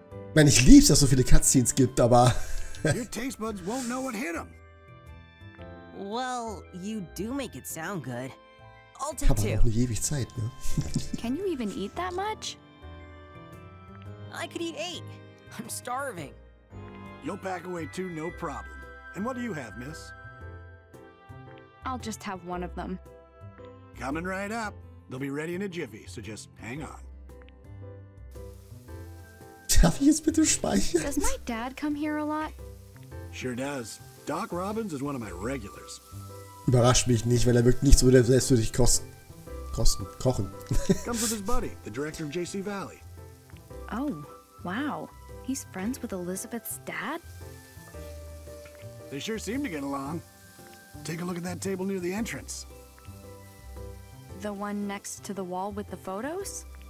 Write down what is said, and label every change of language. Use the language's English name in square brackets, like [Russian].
[German] Ich meine, ich lieb's, dass es so viele Cutscenes gibt, aber... [English] Your taste buds won't know what hit them. Well, you do make it sound good. I'll take two. [German] Hab aber auch eine ewig Zeit, ne? [English] Can you even eat that much? I could eat 8. I'm starving. You'll pack away 2, no problem. And what do you have, miss? I'll just have one of them. Coming right up. They'll be ready in a jiffy, so just hang on. [German] Darf ich jetzt bitte speichern? [English] Does my dad come here a lot? Sure does. Doc Robbins is one of my regulars. [German] Überrascht mich nicht, weil wirkt nicht so der selbstwürdig kochen. [English] Comes with his buddy, the director of JC Valley. Oh, wow. He's friends with Elizabeth's dad? They sure seem to get along. Take a look at that table near the entrance. The one next to the wall with the photos?